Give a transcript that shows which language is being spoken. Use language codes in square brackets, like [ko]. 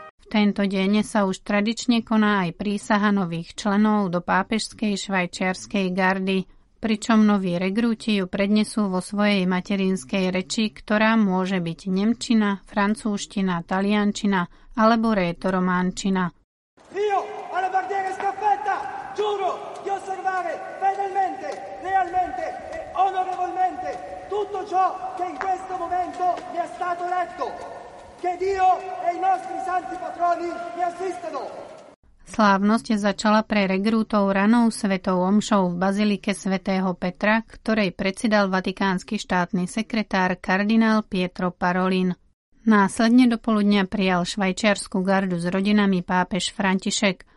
[sk] Tento deň sa už tradične koná aj prísaha nových členov do pápežskej švajčiarskej gardy, pričom noví regrúti ju prednesú vo svojej materinskej reči, ktorá môže byť nemčina, francúzština, taliančina alebo rétorománčina. [it] Io alla bandiera scaffetta giuro di osservare fedelmente, lealmente e onorevolmente tutto ciò che in questo momento mi è stato letto. [sk] Slávnosť začala pre regrútov ranou svätou omšou v bazilike svätého Petra, ktorej predsedal vatikánsky štátny sekretár kardinál Pietro Parolin. Následne do poludnia prijal švajčiarsku gardu s rodinami pápež František.